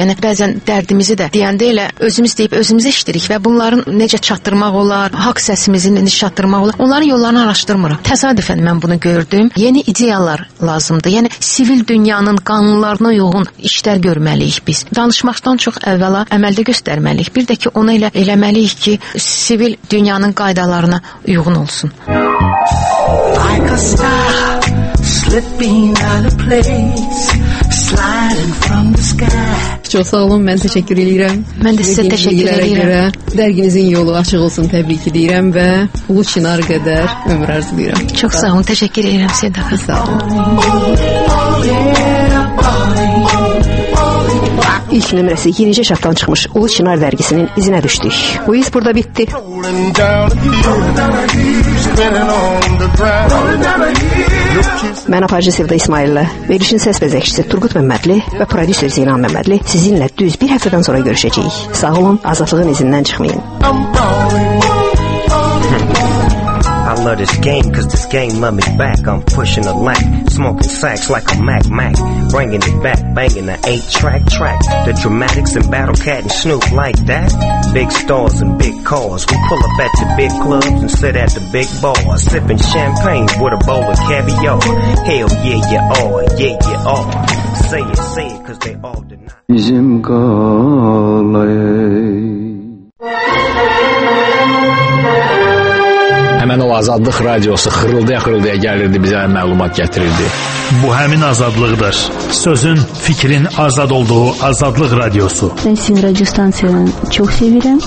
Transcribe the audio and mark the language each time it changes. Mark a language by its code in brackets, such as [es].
[az] Yəni, bəzən dərdimizi də deyəndə elə özümüz deyib özümüzə işləyirik və bunların necə çatdırmaq olar, haqq səsimizi necə çatdırmaq olar, onların yollarını araşdırmırıq. Təsadüfən mən bunu gördüm. Yeni ideyalar lazımdır. Yəni, sivil dünyanın qanunlarına uyğun işlər görməliyik biz. Danışmaqdan çox əvvəla əməldə göstərməliyik. Bir də ki, onu elə eləməliyik ki, sivil dünyanın qaydalarına uyğun olsun. [en] Like a star, slipping out of place, sliding from the sky. [tr] çok sağ olun. Ben teşekkür ederim. Ben de size teşekkür ederim. Derginizin yolu açık olsun. Tebrik ederim ve Ulu Çınar kadar ömür arzuluyorum. Çok sağ olun. Teşekkür ederim Seda. Sağ olun. [az] İlk nömrəsi yenicə şaftan çıxmış Ulu Çınar dərgisinin izinə düşdük. Bu iz burada bitdi. Mən aparıcı Sevda İsmaillə, verilişin səs bəzəkçisi Turqut Məmmədli və prodüser Zeynan Məmmədli sizinlə düz bir həftədən sonra görüşəcəyik. Sağ olun, azadlığın izindən çıxmayın. [en] I love this game, cause this game love me back. I'm pushing the lack, smoking sacks like a Mac. Bringing it back, banging the 8-track track. The dramatics and Battle Cat and Snoop like that. Big stars and big cars. We pull up at the big clubs and sit at the big bars. Sipping champagne with a bowl of caviar. Hell yeah, you are, yeah, you are. Say it, cause they all deny. [az] Bizim qalay. Həmən o azadlıq radiosu xırıldaya-xırıldaya gəlirdi, bizə məlumat gətirirdi. Bu həmin azadlıqdır. Sözün, fikrin azad olduğu azadlıq radiosu. Mən sizin radio stansiyanı çox sevirəm.